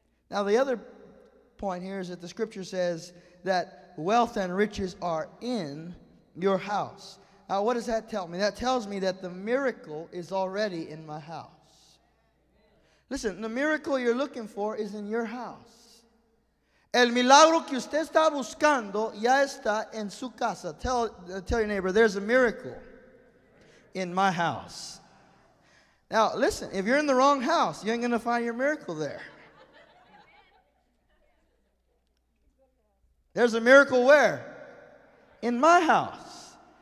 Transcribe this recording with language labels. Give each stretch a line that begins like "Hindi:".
English: Now, the other point here is that the scripture says that wealth and riches are in your house. Now, what does that tell me? That tells me that the miracle is already in my house. Listen, the miracle you're looking for is in your house.
Spanish: El milagro que usted está buscando ya está en su casa.
English: Tell your neighbor, there's a miracle in my house. Now, listen, if you're in the wrong house, you ain't going to find your miracle there. There's a miracle where? In my house.